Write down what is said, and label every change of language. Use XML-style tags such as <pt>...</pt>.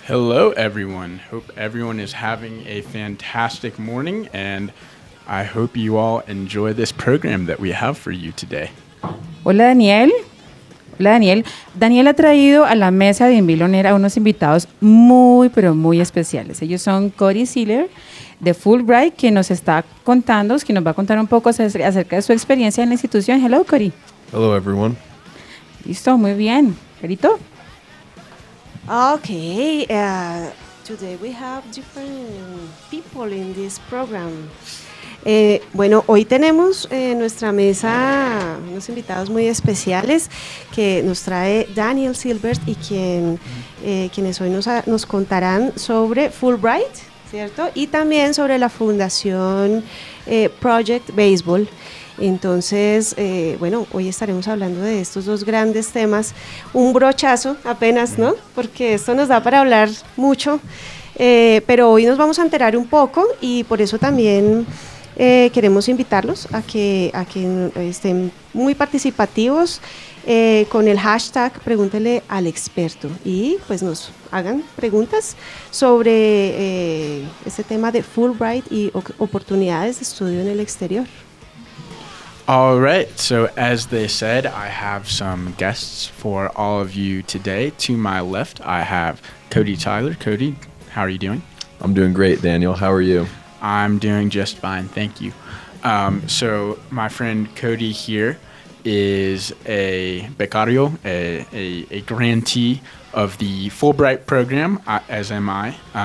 <en>Hello everyone, hope everyone is having a fantastic morning and I hope you all enjoy this program that we have for you today.</en> <es>Hola Daniel. Hola Daniel. Daniel ha traído a la mesa de In Build On Air a unos invitados muy, pero muy especiales. Ellos son Cory Seeler de Fulbright, que nos está contando, que nos va a contar un poco acerca de su experiencia en la institución.</es> <en>Hello, Cory. Hello, everyone.</en> <es>Listo, muy bien. Carito. Ok.</es> <en>Today we have different people in this program.</en> <es>Bueno, hoy tenemos en nuestra mesa unos invitados muy especiales que nos trae Daniel Silbert y quienes hoy nos contarán sobre Fulbright, ¿cierto? Y también sobre la Fundación Project Baseball. Entonces, bueno, hoy estaremos hablando de estos dos grandes temas, un brochazo apenas, ¿no? Porque esto nos da para hablar mucho, pero hoy nos vamos a enterar un poco y por eso también... queremos invitarlos a que estén muy participativos con el hashtag Pregúntele al Experto y pues nos hagan preguntas sobre este tema de Fulbright y oportunidades de estudio en el exterior.</es> <en>All right, so as they said, I have some guests for all of you today. To my left, I have Cody Tyler. Cody, how are you doing? I'm doing great, Daniel. How are you? I'm doing just fine, thank you. So my friend Cody here is a becario, a grantee of the Fulbright program, as am I.</en>